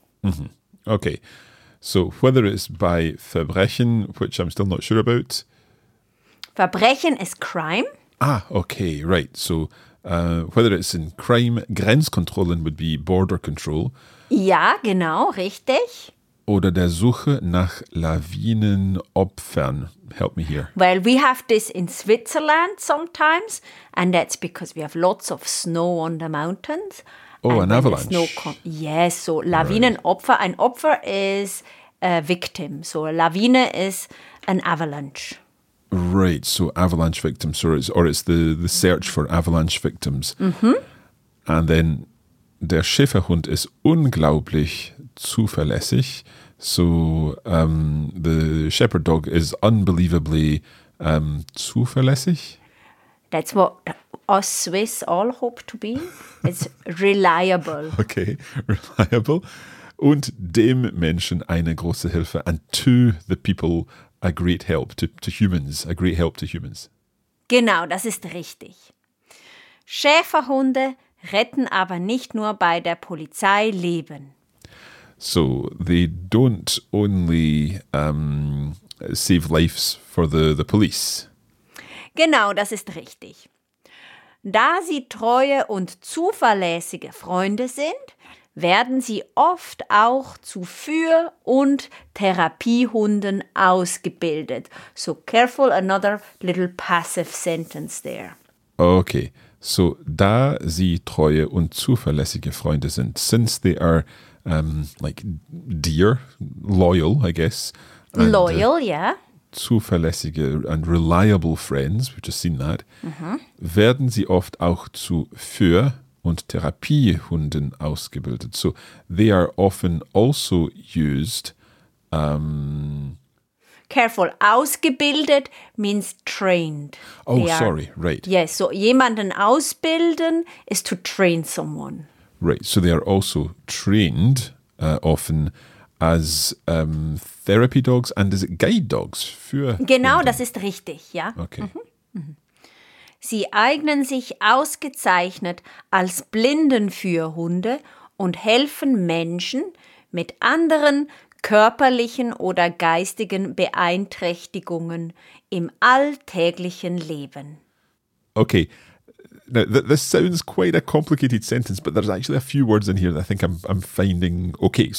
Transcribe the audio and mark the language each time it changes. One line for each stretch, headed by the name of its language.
English: Mm-hmm. Okay, so whether it's by Verbrechen, which I'm still not sure about. Verbrechen is crime. Ah, okay, right, so... whether it's in crime, Grenzkontrollen would be border control.
German: Ja, genau, richtig. Oder der Suche nach Lawinenopfern.
English: Help me here. Well, we have this in Switzerland sometimes, and that's because we have lots of snow on the mountains. Oh, and an avalanche. Yes, so Lawinenopfer. Right. Ein Opfer is a victim. So a Lawine is an avalanche. Right, so avalanche victims, or it's the search for avalanche victims. Mm-hmm. And then,
German: der Schäferhund ist unglaublich zuverlässig.
English: So, the shepherd dog is unbelievably zuverlässig. That's what us Swiss all hope to be. It's reliable. Okay, reliable.
German: Und dem Menschen eine große Hilfe.
English: And to the people... A great help to humans, a great help to humans.
German: Genau, das ist richtig. Schäferhunde retten aber nicht nur bei der Polizei Leben.
English: So, they don't only save lives for the police.
German: Genau, das ist richtig. Da sie treue und zuverlässige Freunde sind, werden sie oft auch zu Führ- und Therapiehunden ausgebildet.
English: So careful, another little passive sentence there. Okay, so
German: da sie treue und zuverlässige Freunde sind,
English: since they are like dear, loyal, I guess. Loyal, yeah. Zuverlässige and reliable friends, we've just seen that, mm-hmm.
German: werden sie oft auch zu Führ- und Therapiehunden ausgebildet.
English: So they are often also used. Careful. Ausgebildet means trained. Oh, they sorry. Are, right. Yes. So
German: jemanden ausbilden
English: is to train someone. Right. So they are also trained often as therapy dogs and as guide dogs für.
German: Genau, Hunde. Das ist richtig. Ja.
English: Okay. Mm-hmm.
German: Sie eignen sich ausgezeichnet als Blindenführhunde und helfen Menschen mit anderen körperlichen oder geistigen Beeinträchtigungen im alltäglichen Leben.
English: Okay, now this sounds quite a complicated sentence, but there's actually a few words in here that I think I'm finding okay.